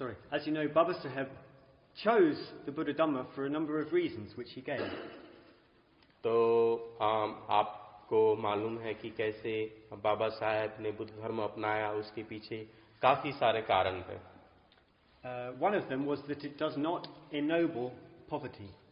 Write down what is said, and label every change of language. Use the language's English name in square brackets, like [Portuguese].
[English] As you know, Baba Saheb chose the Buddha Dhamma for a number of reasons which he gave. [Hindi] तो आपको मालूम है कि कैसे बाबा साहेब ने बुद्ध धर्म अपनाया उसके पीछे काफी सारे कारण थे. [English] One of them was that it does not ennoble poverty.